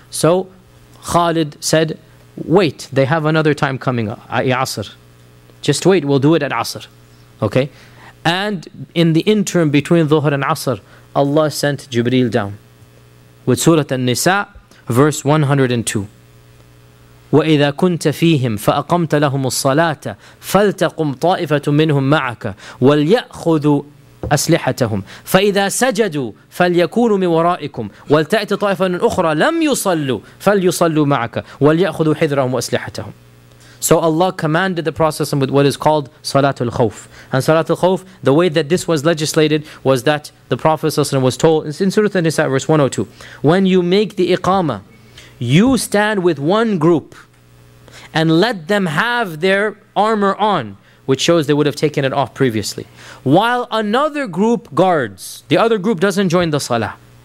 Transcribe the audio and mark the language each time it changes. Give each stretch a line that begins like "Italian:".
English: So Khalid said, wait, they have another time coming, Asr. Just wait, we'll do it at Asr. Okay? And in the interim between Dhuhr and Asr, Allah sent Jibreel down with Surah An-Nisa, verse 102.
Arabic: وَإِذَا كُنْتَ فِيهِمْ فَأَقَمْتَ لَهُمُ الصَّلَاةَ فَلْتَقُمْ طَائِفَةٌ مِّنْهُمْ مَعَكَ وَلْيَأْخُذُوا أسلحتهم فإذا سجدوا فليكونوا من ورائكم ولتأتي طائفة أخرى لم يصلوا فليصلوا معك وليأخذوا حذرهم وأسلحتهم.
English: So Allah commanded the Prophet with what is called Salatul Khawf. And Salatul Khawf, the way that this was legislated was that the Prophet was told, it's in Surah An-Nisa, verse 102, when you make the Iqamah, you stand with one group and let them have their armor on, which shows they would have taken it off previously, while another group guards, the other group doesn't join the Salah.